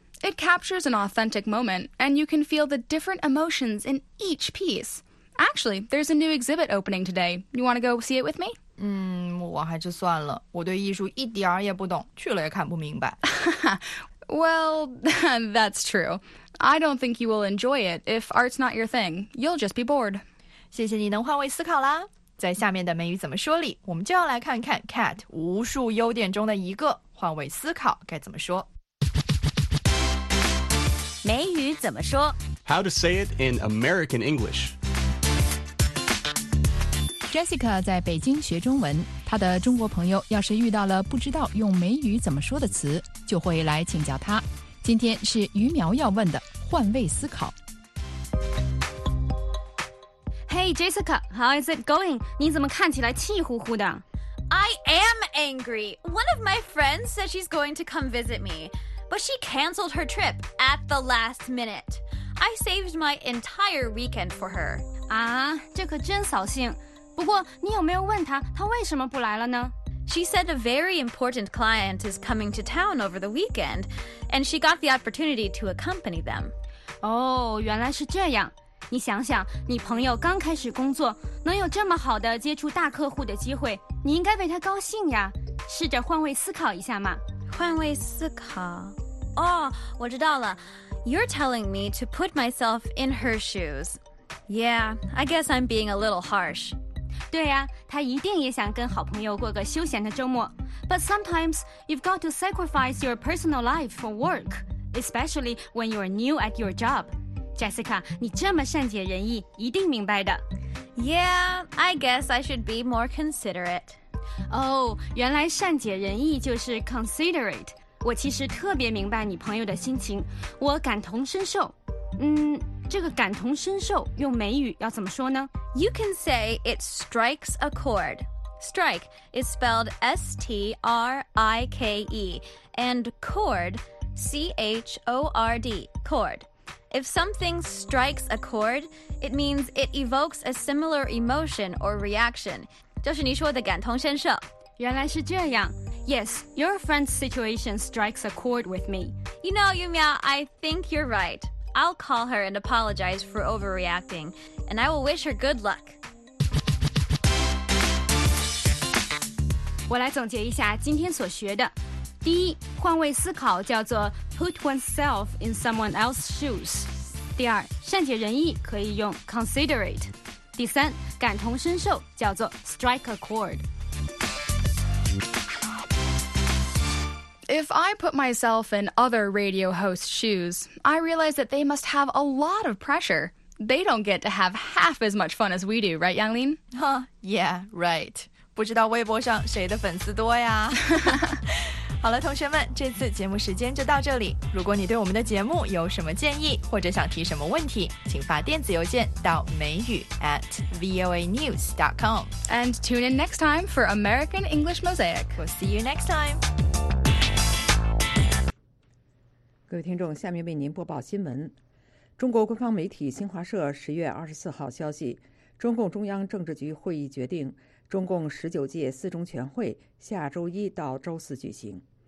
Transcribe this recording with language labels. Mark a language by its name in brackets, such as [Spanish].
[English] It captures an authentic moment and you can feel the different emotions in each piece. Actually, there's a new exhibit opening today. You want to go see it with me? [Chinese] 我还是算了，我对艺术一点儿也不懂，去了也看不明白。 [English] Well, that's true. I don't think you will enjoy it if art's not your thing. You'll just be bored. [Chinese] 谢谢你能换位思考啦。在下面的美语怎么说里，我们就要来看看 Cat 无数优点中的一个，换位思考该怎么说。美语怎么说 [English] ？How to say it in American English? [Chinese] Jessica 在北京学中文，她的中国朋友要是遇到了不知道用美语怎么说的词，就会来请教她。今天是于苗要问的换位思考。 [English] Hey Jessica, how is it going? [Chinese] 你怎么看起来气呼呼的？ [English] I am angry. One of my friends said she's going to come visit me, but she canceled her trip at the last minute. I saved my entire weekend for her. [Chinese] 啊，这可真扫兴。不过你有没有问她她为什么不来了呢 [English] She said a very important client is coming to town over the weekend, and she got the opportunity to accompany them. [Chinese] 哦、oh, 原来是这样。你想想你朋友刚开始工作能有这么好的接触大客户的机会你应该为她高兴呀。试着换位思考一下嘛。换位思考。哦、oh, 我知道了。 [English] You're telling me to put myself in her shoes. Yeah, I guess I'm being a little harsh. [Chinese] 对呀、啊，他一定也想跟好朋友过个休闲的周末。 [English] But sometimes you've got to sacrifice your personal life for work, especially when you're new at your job. [Chinese] Jessica, 你这么善解人意，一定明白的。 [English] Yeah, I guess I should be more considerate. [Chinese] Oh, 原来善解人意就是 considerate. 我其实特别明白你朋友的心情，我感同身受。这个感同身受用美语要怎么说呢 [English] You can say it strikes a chord. Strike is spelled S-T-R-I-K-E and chord, C-H-O-R-D, chord. If something strikes a chord, it means it evokes a similar emotion or reaction. [Chinese] 就是你说的感同身受。原来是这样。 [English] Yes, your friend's situation strikes a chord with me. You know, Yumiao, I think you're right. I'll call her and apologize for overreacting, and I will wish her good luck. [Chinese] 我来总结一下今天所学的。第一，换位思考叫做 [English] put oneself in someone else's shoes. [Chinese] 第二，善解人意可以用 considerate. 第三，感同身受叫做 [English] strike a chord. If I put myself in other radio hosts' shoes, I realize that they must have a lot of pressure. They don't get to have half as much fun as we do, right, Yanglin? Huh, yeah, right. [Chinese] 不知道微博上谁的粉丝多呀？好了，同学们，这次节目时间就到这里。如果你对我们的节目有什么建议，或者想提什么问题，请发电子邮件到美语 @voanews.com. [English] And tune in next time for American English Mosaic. We'll see you next time. [Chinese] 各位听众，下面为您播报新闻。中国官方媒体新华社10月24号消息，中共中央政治局会议决定，中共19届四中全会下周一到周四举行。